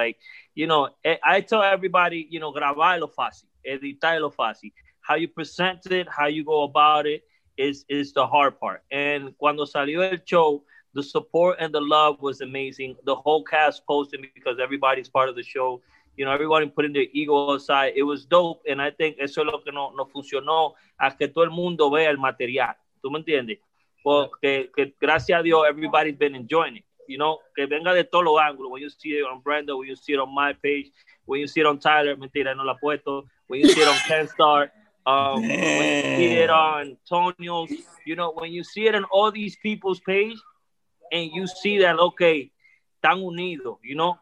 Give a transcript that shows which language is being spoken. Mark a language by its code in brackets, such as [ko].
[en] Like, you know, I tell everybody, you know, [es] grabar lo fácil, editar lo fácil. [en] How you present it, how you go about it is the hard part. And [es] cuando salió el show, [en] the support and the love was amazing. The whole cast posted because everybody's part of the show. You know, everybody putting their ego aside. It was dope. And I think [es] eso es lo que no funcionó. A que todo el mundo vea el material. ¿Tú me entiendes? Porque que, gracias a Dios, [en] everybody's been enjoying it. You know, [es] que venga de todos los ángulos. [en] When you see it on Brenda, when you see it on my page, when you see it on Tyler, [es] mentira, no la puesto. [en] When you see it on Ken Star. When you see it on Antonio's. You know, when you see it on all these people's page, and you see that, okay, [es] están unidos, [en] you know?